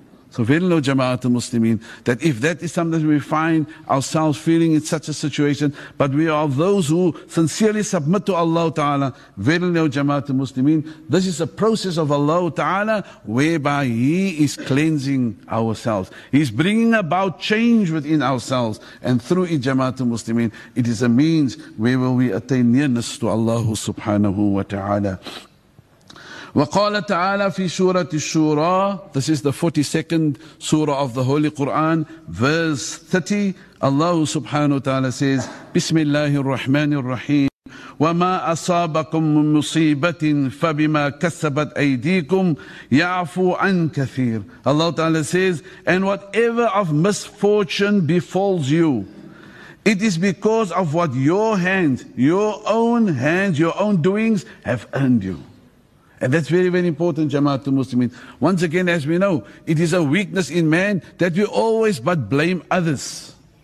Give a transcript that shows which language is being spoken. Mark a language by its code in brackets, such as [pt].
[en] So verily know, Jamaatul Muslimin, that if that is something we find ourselves feeling in such a situation, but we are those who sincerely submit to Allah ta'ala, verily know, Jamaatul Muslimin, this is a process of Allah ta'ala whereby He is cleansing ourselves. He's bringing about change within ourselves, and through it, Jamaatul Muslimin, it is a means where will we attain nearness to Allah subhanahu wa ta'ala. [ar] وقال تعالى في سورة الشورى, [en] this is the 42nd surah of the Holy Quran, verse 30, Allah subhanahu wa ta'ala says, [ar] بسم الله الرحمن الرحيم وما أصابكم من مصيبة فبما كسبت أيديكم يعفو عن كثير. [en] Allah ta'ala says, and whatever of misfortune befalls you, it is because of what your own hands, your own doings have earned you. And that's very, very important, Jamaatul Muslimin. Once again, as we know, it is a weakness in man that we always but blame others.